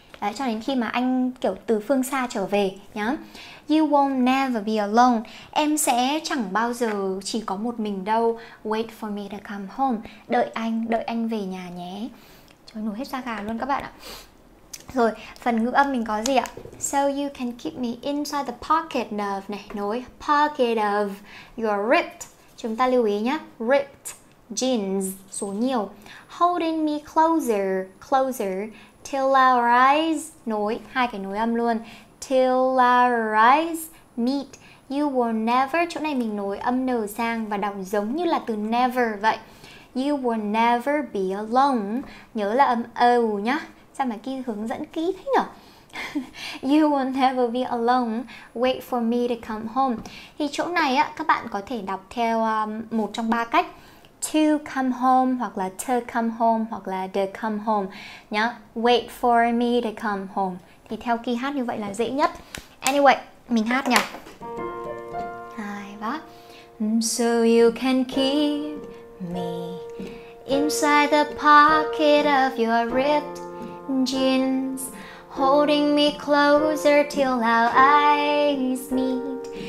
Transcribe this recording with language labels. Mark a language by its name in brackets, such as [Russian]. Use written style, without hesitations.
[Vietnamese] Đấy, cho đến khi mà anh kiểu từ phương xa trở về nhá. [English] You won't never be alone. [Vietnamese] Em sẽ chẳng bao giờ chỉ có một mình đâu. [English] Wait for me to come home. [Vietnamese] Đợi anh về nhà nhé. Nói nổi hết da gà luôn các bạn ạ. Rồi, phần ngữ âm mình có gì ạ? [English] So you can keep me inside the pocket of [Vietnamese] này, nối [English] pocket of your ripped. [Vietnamese] Chúng ta lưu ý nhé, ripped jeans, số nhiều. [English] Holding me closer till our eyes, nối, [Vietnamese] hai cái nối âm luôn. [English] Till our eyes meet, you will never. [Vietnamese] Chỗ này mình nối âm N sang và đọc giống như là từ never vậy. [English] You will never be alone. [Vietnamese] Nhớ là âm O nhá. Sao mà kia hướng dẫn kỹ thế nhở? [English] You will never be alone. Wait for me to come home. [Vietnamese] Thì chỗ này á, các bạn có thể đọc theo một trong ba cách. To come home, hoặc là to come home, hoặc là to come home nhá. [English] Wait for me to come home. [Vietnamese] Thì theo kia hát như vậy là dễ nhất. Anyway, Mình hát nhỉ. Hai ba. [English] So you can keep me inside the pocket of your ripped jeans, holding me closer till our eyes meet.